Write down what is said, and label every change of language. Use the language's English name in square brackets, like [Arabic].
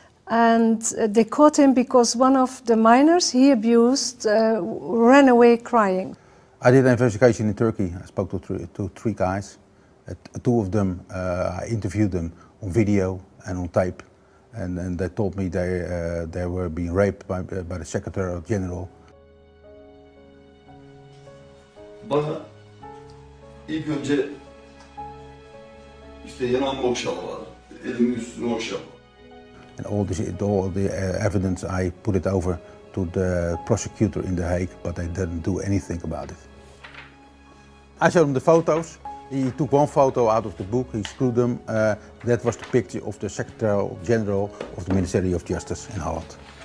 [English] And they caught him because one of the minors he abused ran away crying. I did an investigation in Turkey. I spoke to three guys. Two of them, I interviewed them on video and on tape. And they told me they were being raped by the Secretary General. [Turkish] Bana ilk önce işte yanan okşama var, elimin üstüne okşama. [English] And all the evidence I put it over to the prosecutor in The Hague, but they didn't do anything about it. I showed him the photos. He took one photo out of the book, he screwed them. That was the picture of the Secretary General of the Ministry of Justice in Holland.